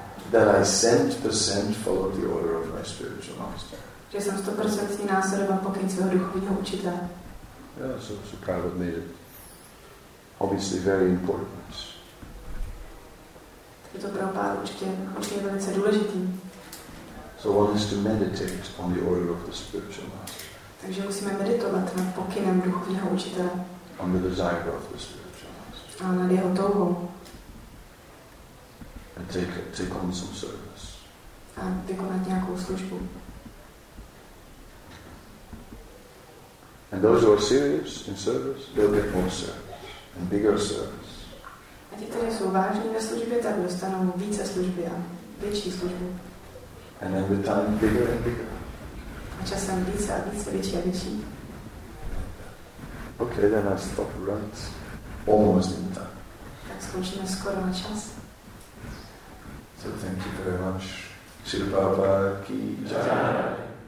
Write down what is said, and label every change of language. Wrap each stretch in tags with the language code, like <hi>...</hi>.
<en>That I 100% followed the order of my spiritual master.</en> <cs>Že jsem 100% následoval pokyn svého duchovního učitele.</cs> <en>Yeah, so Prabhupada made it obviously very important.</en> <cs>Je to pro Prabhupada určitě velice důležitý.</cs> <en>So one has to meditate on the order of the spiritual master.</en> <cs>Takže musíme meditovat nad pokynem duchovního učitele.</cs> <en>On the desire of the spiritual master.</en> <cs>A nad jeho touhou.</cs> <en>And take on some service.</en> <cs>A vykonat nějakou službu.</cs> <en>And those who are serious in service, they'll get more service and bigger service.</en> <cs>A ti, kteří jsou vážní ve službě, tak dostanou více služby a větší služby.</cs> <en>And then with time, bigger and bigger.</en> <cs>A časem více a více, větší a větší.</cs> <en>Okay, then I stop right almost in time.</en> <cs>Tak skončíme skoro na čas.</cs> <en>So thank you very much. Srila Prabhupada ki jai.</en>